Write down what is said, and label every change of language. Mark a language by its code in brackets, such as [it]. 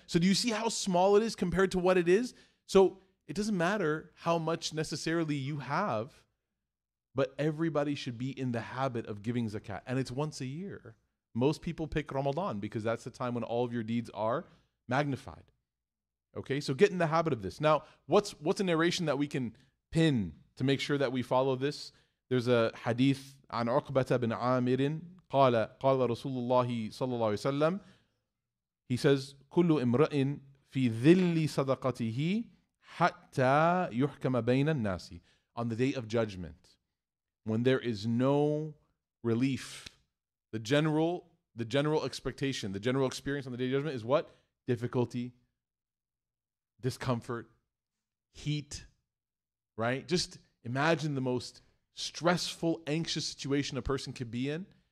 [en] So do you see how small it is compared to what it is? So it doesn't matter how much necessarily you have, but everybody should be in the habit of giving zakat. And it's once a year. Most people pick Ramadan because that's the time when all of your deeds are magnified. Okay, so get in the habit of this. Now, what's a narration that we can pin to make sure that we follow this? There's a hadith [ar] عن عقبة بن عامر قال رسول الله صلى الله عليه وسلم. [en] He says, [ar] كل امرئ في ذل صدقته حتى يحكم بين الناس. [en] On the day of judgment, when there is no relief, the general expectation, the general experience on the day of judgment is what? Difficulty, discomfort, heat, right? Just imagine the most stressful, anxious situation a person could be in.